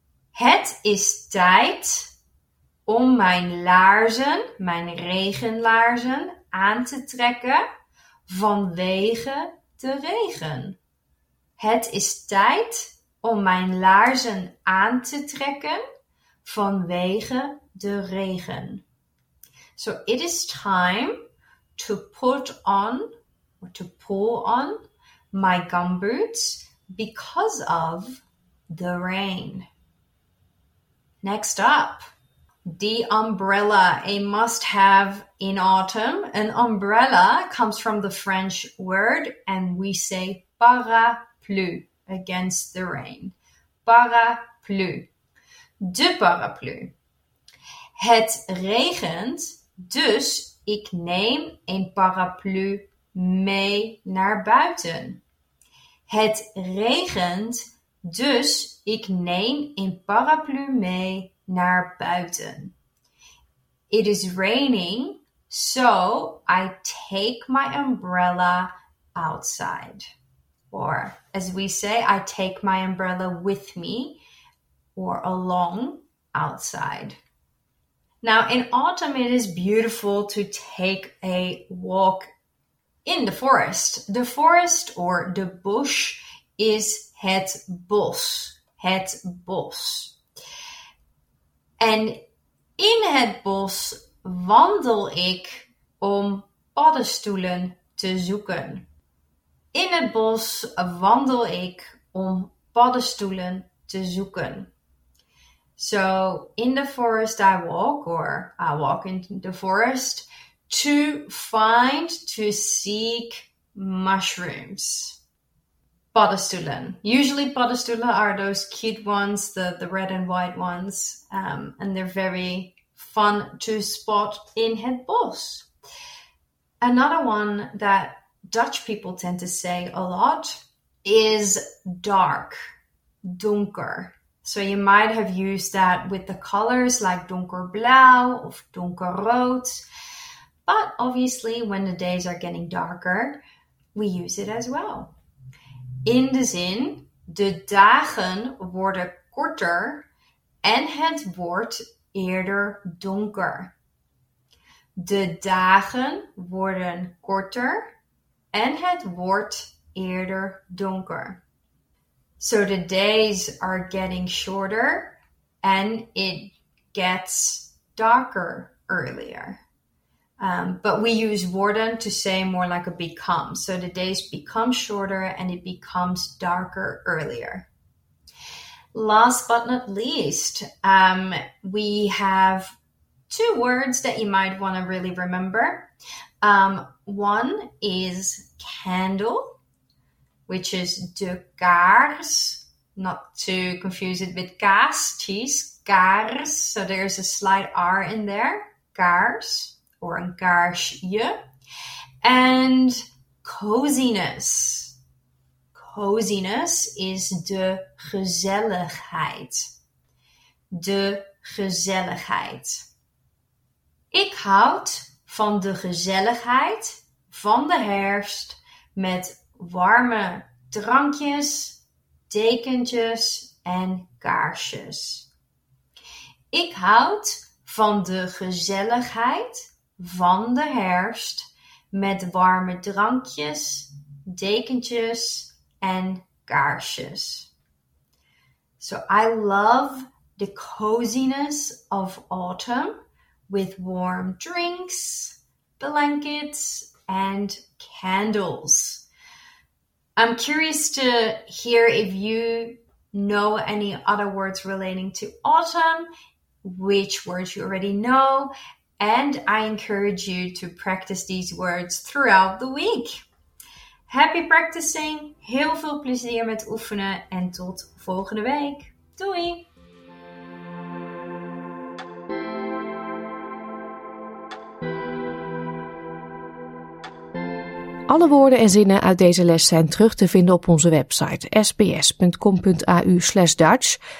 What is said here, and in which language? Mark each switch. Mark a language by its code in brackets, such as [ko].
[nl] Het is tijd om mijn laarzen, mijn regenlaarzen, aan te trekken vanwege de regen. Het is tijd om mijn laarzen aan te trekken vanwege de regen. [en] So it is time to put on or to pull on my gumboots because of the rain. Next up, the umbrella, a must-have in autumn. An umbrella comes from the French word and we say parapluie, against the rain. [nl] Parapluie, de parapluie. Het regent, dus ik neem een paraplu mee naar buiten. Het regent, Dus ik neem een paraplu mee naar buiten. [en] It is raining, so I take my umbrella outside. Or as we say, I take my umbrella with me or along outside. Now in autumn, it is beautiful to take a walk in the forest. The forest or the bush is het bos. [nl] Het bos. [en] And [nl] in het bos wandel ik om paddenstoelen te zoeken. In het bos wandel ik om paddenstoelen te zoeken. [en] So in the forest I walk, or I walk in the forest to find, to seek mushrooms. Paddenstoelen. Usually paddenstoelen are those cute ones, the red and white ones, and they're very fun to spot in het bos. Another one that Dutch people tend to say a lot is dark, donker. So you might have used that with the colors like [nl] donkerblauw of donkerrood. [en] But obviously when the days are getting darker, we use it as well. [nl] In de zin, de dagen worden korter en het wordt eerder donker. De dagen worden korter en het wordt eerder donker. [en] So the days are getting shorter and it gets darker earlier. But we use worden to say more like a become. So the days become shorter and it becomes darker earlier. Last but not least, we have two words that you might want to really remember. One is candle, which is de kaars, not to confuse it with kaas, cheese, kaars. So there's a slight R in there, kaars, or een kaarsje. And coziness. Coziness is de gezelligheid. De gezelligheid. [nl] Ik houd van de gezelligheid van de herfst met warme drankjes, dekentjes en kaarsjes. Ik houd van de gezelligheid van de herfst met warme drankjes, dekentjes en kaarsjes. [en] So I love the coziness of autumn with warm drinks, blankets and candles. I'm curious to hear if you know any other words relating to autumn, which words you already know, and I encourage you to practice these words throughout the week. Happy practicing, [nl] heel veel plezier met oefenen en tot volgende week. Doei! Alle woorden en zinnen uit deze les zijn terug te vinden op onze website sbs.com.au/Dutch.